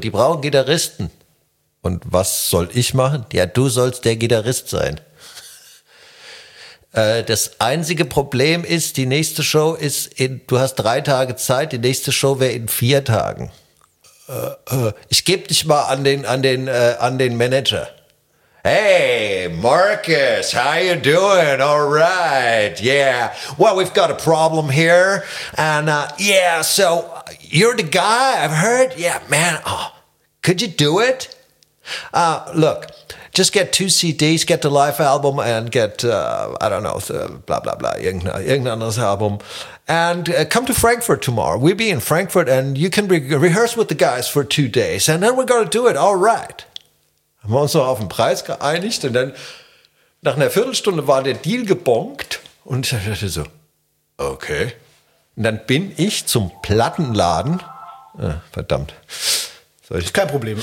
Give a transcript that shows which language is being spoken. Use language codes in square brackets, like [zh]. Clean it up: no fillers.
[de] Die brauchen Gitarristen. Und was soll ich machen? Ja, du sollst der Gitarrist sein. Das einzige Problem ist, die nächste Show ist du hast 3 Tage Zeit, die nächste Show wäre in 4 Tagen. Ich gebe dich mal an den Manager. [en] Hey, Marcus, how you doing? All right, yeah. Well, we've got a problem here. And so you're the guy, I've heard. Yeah, man, could you do it? Look. Just get 2 CDs, get the live album and get, I don't know, blah, blah, blah, [de] irgendein anderes Album. [en] And come to Frankfurt tomorrow. We'll be in Frankfurt and you can rehearse with the guys for 2 days. And then we're going to do it, all right. [de] Haben wir uns noch auf den Preis geeinigt und dann nach einer Viertelstunde war der Deal gebonkt und ich dachte so, okay. Und dann bin ich zum Plattenladen. Verdammt. Kein Problem.